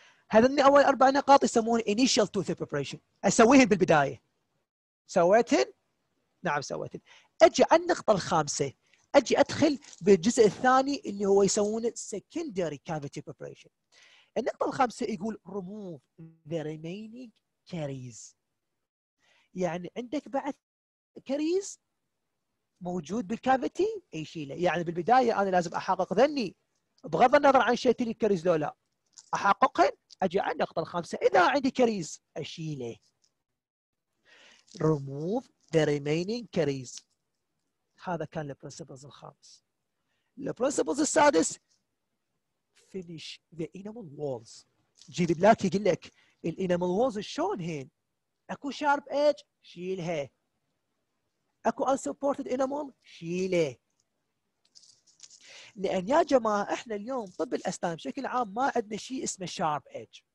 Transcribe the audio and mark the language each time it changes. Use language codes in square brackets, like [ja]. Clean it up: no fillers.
[ar] هذني اول اربع نقاط يسمونه [en] initial tooth preparation، [ar] اسويهن بالبدايه. سويتهن؟ نعم سويتهن. اجي على النقطه الخامسه، اجي ادخل بالجزء الثاني اللي هو يسمونه [en] secondary cavity preparation. [ar] النقطه الخامسه يقول [en] remove the remaining caries. [ar] يعني عندك بعد caries موجود بالكافيتي اي شيله، يعني بالبدايه انا لازم احقق ذني بغض النظر عن شيء لي الكاريز لو لا. احققهن؟ اجي على النقطة الخامسة، إذا عندي كاريز أشيله. [en] Remove the remaining caries. [ar] هذا كان الـ principles الخامس. الـ principles السادس [en] finish the enamel walls. [ar] جيب بلاك يقول لك الـ enamel walls شلون هين؟ اكو [en] sharp edge؟ [ar] شيلها. اكو [en] unsupported enamel؟ [ar] شيله. لان يا جماعه احنا اليوم طب الاسنان بشكل عام ما عندنا شيء اسمه شارب ايج.